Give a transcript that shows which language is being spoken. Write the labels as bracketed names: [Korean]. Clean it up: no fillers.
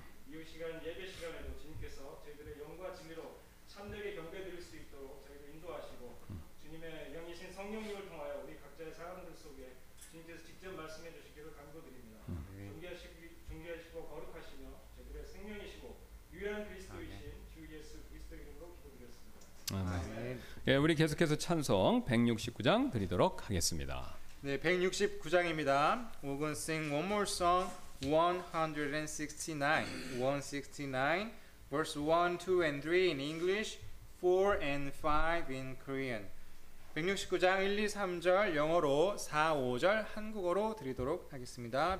[Korean] 이후 시간 예배 시간에도 주님께서 저희들의 영과 진리로 참되게 경배 드릴 수 있도록 저희들 인도하시고 주님의 영이신 성령님을 통하여 우리 각자의 사람들 속에 주님께서 직접 말씀해 주시기를 간구드립니다. 존귀하시고 거룩하시며 저희들의 생명이시고 유일한 그리스도이신 아멘. 주 예수 그리스도 이름으로 기도드렸습니다. 아멘. 예, 우리 계속해서 찬송 169장 드리도록 하겠습니다. 네, 169장입니다. [English] We're going to sing one more song, 169, verse 1, 2, and 3 in English, 4 and 5 in Korean. [Korean] 169장 1, 2, 3절 영어로, 4, 5절 한국어로 드리도록 하겠습니다.